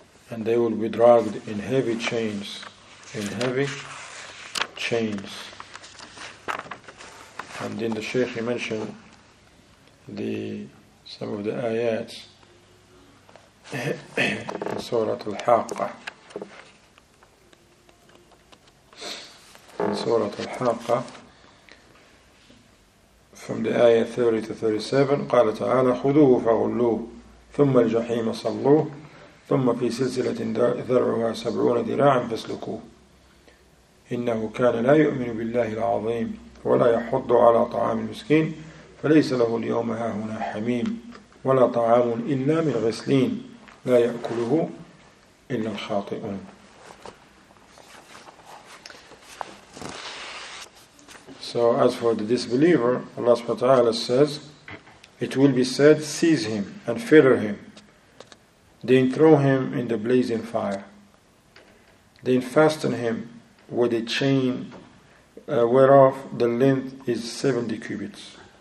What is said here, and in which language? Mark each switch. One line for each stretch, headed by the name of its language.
English: And they will be dragged in heavy chains. In heavy chains. And then the Shaykh mentioned some of the ayats in Surah Al-Haqqah. In Surah Al-Haqqah, from the ayah 30 to 37,
Arabic: قال تعالى خذوه فغلوه ثم الجحيم صلوه ثم في سلسلة ذرعها 70 ذراعا فاسلكوه إنه كان لا يؤمن بالله العظيم ولا يحض على طعام المسكين فليس له اليوم هاهنا حميم ولا طعام إلا من غسلين لا يأكله إلا الخاطئون.
English: So as for the disbeliever, Allah subhanahu wa ta'ala says, it will be said, seize him and fetter him. Then throw him in the blazing fire. Then fasten him with a chain whereof the length is 70 cubits.